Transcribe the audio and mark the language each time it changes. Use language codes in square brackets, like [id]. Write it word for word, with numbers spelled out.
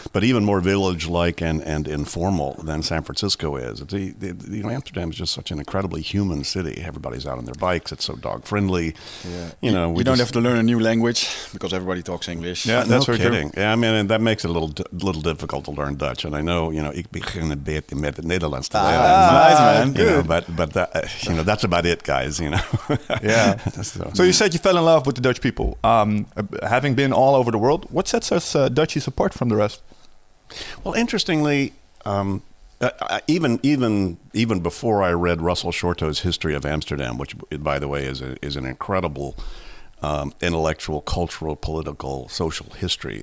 [en] but even more village-like and, and informal than San Francisco is. It's, it, it, you know, Amsterdam is just such an incredibly human city. Everybody's out on their bikes. It's so dog-friendly. Yeah. You know, we you don't just, have to learn a new language because everybody talks English. Yeah, that's no very kidding. True. Yeah, I mean, and that makes it a little little difficult to learn Dutch. And I know, you know, [nl] ik begin een beetje met het Nederlands te leren. [en] Ah, nice man. You know, but but that, you know, that's about it, guys. You know. Yeah. so, so you said you fell in love with the Dutch people. Um, having been all over the world, what sets us uh, Dutchies apart from the rest? Well, interestingly, um, uh, even even even before I read Russell Shorto's History of Amsterdam, which, by the way, is a, is an incredible um, intellectual, cultural, political, social history.